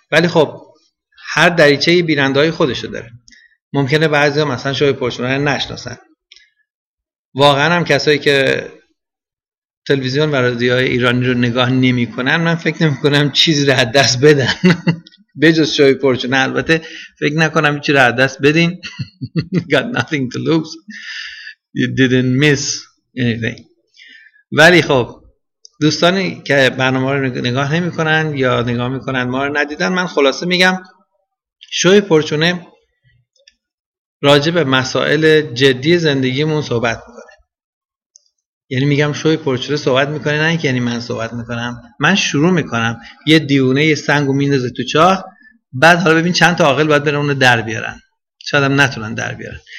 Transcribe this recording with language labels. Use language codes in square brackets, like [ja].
[fa] ولی خب هر دریچه بیننده‌های خودش رو داره، ممکنه بعضی‌ها مثلا شوی پرچونه رو نشناسن. واقعا هم کسایی که تلویزیون و رادیوهای ایرانی رو نگاه نمی‌کنن من فکر نمی‌کنم چیزی رو از دست بدن. بجز شوی پرچونه البته فکر نکنم چیزی رو از دست بدین. [en] Got nothing to lose. You didn't miss anything. [fa] ولی خب دوستانی که برنامه رو نگاه نمی‌کنن یا نگاه می‌کنن ما رو ندیدن، من خلاصه میگم شوی پرچونه راجع به مسائل جدی زندگیمون صحبت میکنه. یعنی میگم شوی پرچونه صحبت میکنه، نه اینکه یعنی من صحبت میکنم، من شروع میکنم، یه دیونه یه سنگو میندازه تو چاه، بعد حالا ببین چند تا عاقل باید برن اونو در بیارن، شاید هم نتونن در بیارن.